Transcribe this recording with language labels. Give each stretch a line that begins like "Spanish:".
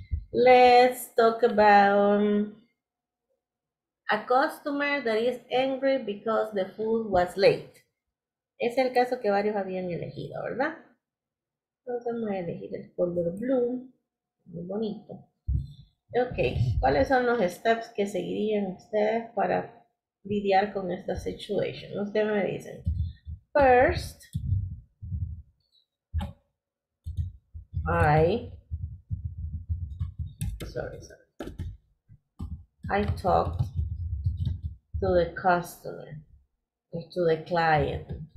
English: Let's talk about a customer that is angry because the food was late.
Spanish: Es el caso que varios habían elegido, ¿verdad? Entonces vamos a elegir el color blue. Muy bonito. Ok, ¿cuáles son los steps que seguirían ustedes para lidiar con esta situation? Ustedes me dicen.
English: First, I talked to the customer, to the client.